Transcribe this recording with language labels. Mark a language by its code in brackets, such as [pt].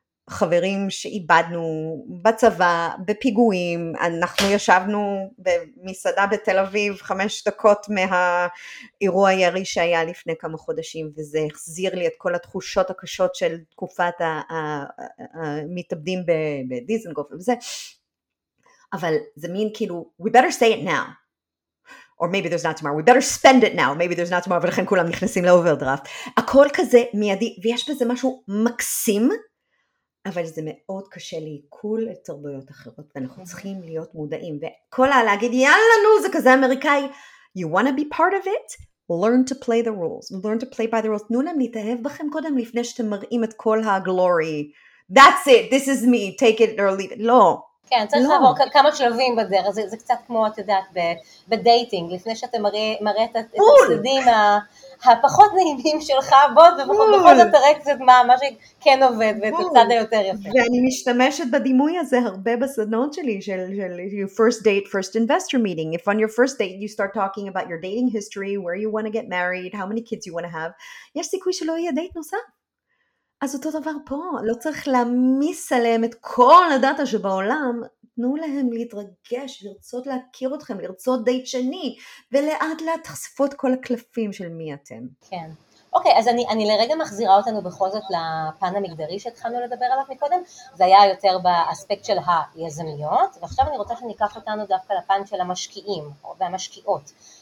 [he] חברים שאיבדנו בצבא, בפיגועים, אנחנו ישבנו במסעדה בתל אביב 5 דקות מהאירוע ירי שהיה לפני כמה חודשים, וזה החזיר לי את כל התחושות הקשות של תקופת המתאבדים בדיזנגוף וזה, אבל זה מין כאילו, [en] we better say it now. Or maybe there's not tomorrow, we better spend it now, maybe there's not tomorrow, [he] ולכן כולם נכנסים לאוברדרפט. הכל כזה מיידי, ויש בזה משהו מקסים, אבל זה מאוד קשה לעיכול את תרבויות אחרות, ואנחנו צריכים להיות מודעים, וכל להגיד, יאללה נו, זה כזה אמריקאי, [en] you wanna be part of it? Learn to play the rules, learn to play by the rules, [he] תנו להם להתאהב בכם קודם, לפני שאתם מראים את כל הגלורי, [en] that's it, this is me, take it or leave it, [he] לא. כן, צריך לעבור כמה שלבים בדרך, זה קצת כמו, את יודעת, בדייטינג, לפני שאתה מראה את הצדדים הפחות נעימים שלך, בכל זאת תראה קצת מה שכן עובד, ואת הצד היותר יפה. ואני משתמשת בדימוי הזה הרבה בסדנות שלי, של [en] your first date, first investor meeting. If on your first date you start talking about your dating history, where you want to get married, how many kids you want to have, [he] יש סיכוי שלא יהיה דייט נוסף. אז אותו דבר פה, לא צריך להמיס עליהם את כל הדאטה שבעולם, תנו להם להתרגש, לרצות להכיר אתכם, לרצות דייט שני, ולאט לאט תחשפו את כל הקלפים של מי אתם. כן, אוקיי, אז אני לרגע מחזירה אותנו בכל זאת לפן המגדרי שהתחלנו לדבר עליו מקודם, זה היה יותר באספקט של היזמיות, ועכשיו אני רוצה שניקח אותנו דווקא לפן של המשקיעים והמשקיעות.